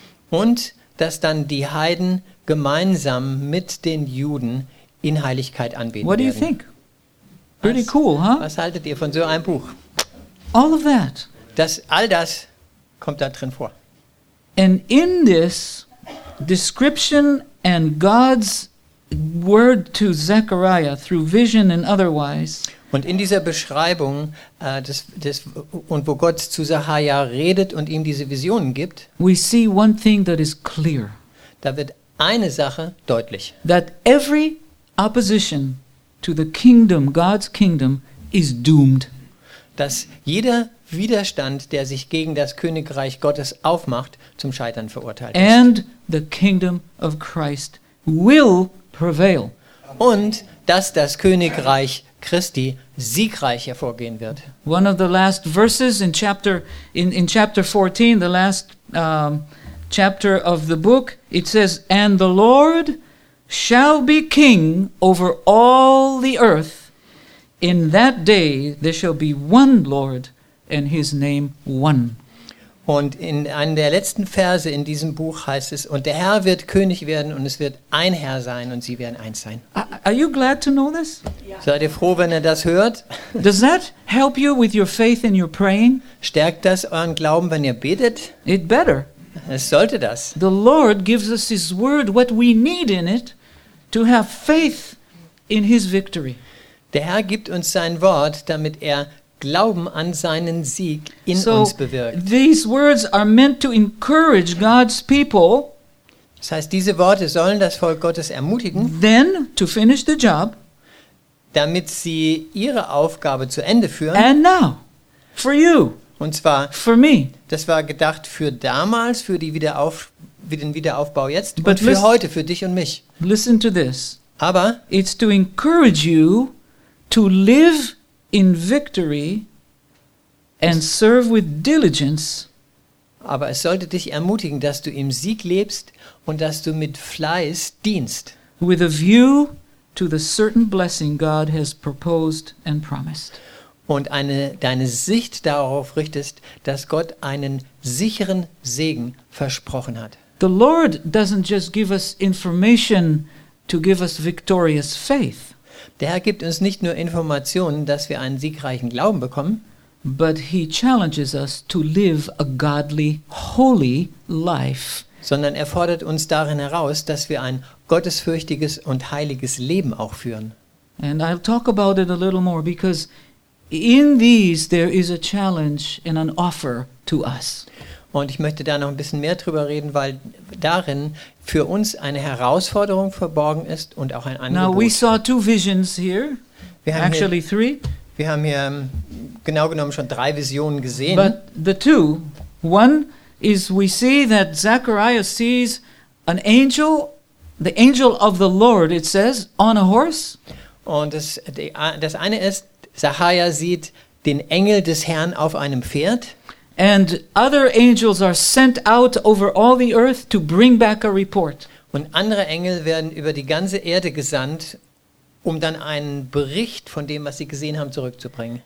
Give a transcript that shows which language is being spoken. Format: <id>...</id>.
<de>Und dass dann die Heiden gemeinsam mit den Juden in Heiligkeit anbeten werden.</de> <en>do you think? Pretty cool, huh?</en> <de>Was haltet ihr von so einem Buch?</de> <en>All of that.</en> <de>All das kommt da drin vor.</de> <en>And in this description and God's word to Zechariah through vision and otherwise.</en> <de>Und in dieser Beschreibung wo Gott zu Zechariah redet und ihm diese Visionen gibt,</de> <en>we see one thing that is clear.</en> <de>Da wird eine Sache deutlich.</de> <en>That every opposition to the kingdom, God's kingdom, is doomed.</en> <de>Dass jeder Widerstand, der sich gegen das Königreich Gottes aufmacht, zum Scheitern verurteilt ist.</de> <en>And the kingdom of Christ will prevail.</en> <de>Und dass das Königreich Christi siegreich hervorgehen wird.</de> <en>One of the last verses in chapter 14, the last chapter of the book, it says, and the Lord shall be king over all the earth. In that day there shall be one Lord and his name one.</en> <de>Und in einem der letzten Verse in diesem Buch heißt es, und der Herr wird König werden und es wird ein Herr sein und sie werden eins sein.</de> <en>Are you glad to know this?</en> <de>Seid ihr froh, wenn ihr das hört?</de> <en>Does that help you with your faith and your praying?</en> <de>Stärkt das euren Glauben, wenn ihr betet?</de> <en>It better.</en> <de>Es sollte das.</de> <en>The Lord gives us his word, what we need in it, to have faith in his victory.</en> <de>Der Herr gibt uns sein Wort, damit er Glauben an seinen Sieg in uns bewirkt.</de> <en>These words are meant to encourage God's people.</en> <de>Das heißt, diese Worte sollen das Volk Gottes ermutigen.</de> <en>Then to finish the job.</en> <de>Damit sie ihre Aufgabe zu Ende führen.</de> <en>And now, for you.</en> <de>Und zwar,</de> <en>for me.</en> <de>Das war gedacht für damals, für den Wiederaufbau jetzt,</de> <en>but</en> <de>und für heute, für dich und mich.</de> <en>Listen to this.</en> <de>Aber</de> <en>it's to encourage you to live in victory and serve with diligence</en> <de>Aber es sollte dich ermutigen, dass du im Sieg lebst und dass du mit Fleiß dienst.</de> <en>With a view to the certain blessing God has proposed and promised.</en> <de>Und deine Sicht darauf richtest, dass Gott einen sicheren Segen versprochen hat.</de> <en>The Lord doesn't just give us information to give us victorious faith.</en> <de>Der Herr gibt uns nicht nur Informationen, dass wir einen siegreichen Glauben bekommen,</de> <en>but he challenges us to live a godly, holy life.</en> <de>Sondern er fordert uns darin heraus, dass wir ein gottesfürchtiges und heiliges Leben auch führen.</de> <en>And I'll talk about it a little more because in these there is a challenge and an offer to us.</en> <de>Und ich möchte da noch ein bisschen mehr drüber reden, weil darin für uns eine Herausforderung verborgen ist und auch ein Angebot.</de> <en>Now we saw two visions here. Actually three.</en> <de>Wir haben hier genau genommen schon drei Visionen gesehen.</de> <en>But the two, one is we see that Zechariah sees an angel, the angel of the Lord, it says, on a horse.</en> <de>Und das eine ist, Zechariah sieht den Engel des Herrn auf einem Pferd.</de> <en>And other angels are sent out over all the earth to bring back a report.</en> <de>Und andere Engel werden über die ganze Erde gesandt, um dann einen Bericht von dem, was sie gesehen haben, zurückzubringen.</de>